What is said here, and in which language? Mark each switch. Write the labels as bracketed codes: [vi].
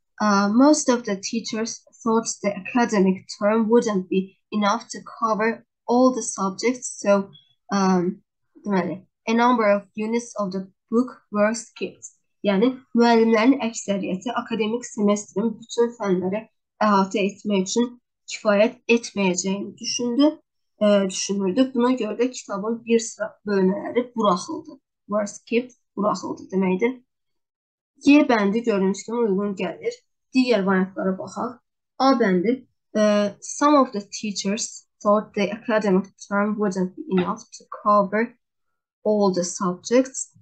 [en] Most of the teachers thought the academic term wouldn't be enough to cover all the subjects, so a number of units of the book were skipped. [az] Yani müəllimlerin əksəriyyəti akademik semestrin bütün fənləri əhatə etmək üçün kifayət etməyəcəyini düşünürdü. Buna görə də kitabın bir sıra bölmələri buraxıldı. [en] Were skipped, [az] buraxıldı deməkdir. Y bəndi gördüyünüz kimi uyğun gəlir. Diğer variantlara baxaq. A bəndi. [en] Some of the teachers thought the academic term wouldn't be enough to cover all the subjects.